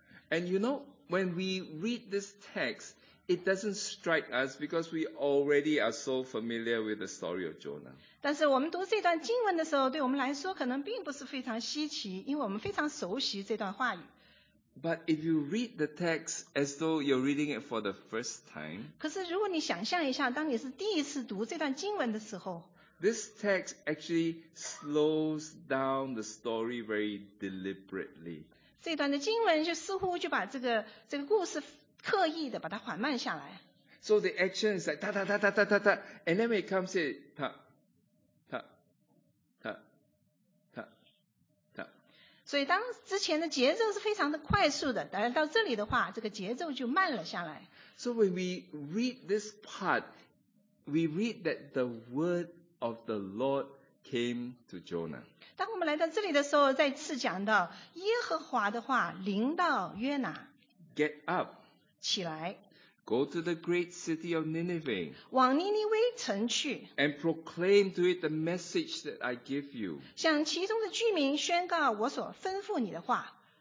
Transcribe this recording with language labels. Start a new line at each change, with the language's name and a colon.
English: And you know, when we read this text,It doesn't strike us because we already are so familiar with the story of Jonah.
Chinese: 但是我们读这段经文的时候，对我们来说可能并不是非常稀奇，因为我们非常熟悉这段话语。
English: But if you read the text as though you're reading it for the first time,
Chinese: 可是如果你想象一下，当你是第一次读这段经文的时候，
English: This text actually slows down the story very deliberately.
Chinese: 这段的经文就似乎就把这个故事刻意的把它缓慢下来。
English: So the action is like ta ta ta ta ta ta ta, and then when it comes in, ta ta ta ta ta.
Chinese: 所以当之前的节奏是非常的快速的，但是到这里的话，这个节奏就慢了下来。
English: So when we read this part, we read that the word of the Lord came to Jonah.
Chinese: 当我们来到这里的时候，再次讲到耶和华的话临到约拿。
English: Get up.
Chinese: 起来
English: Go to the great city of Nineveh.
Chinese: 往尼尼微城去
English: And proclaim to it the message that I give you.
Chinese: 向其中的居民宣告我所吩咐你的话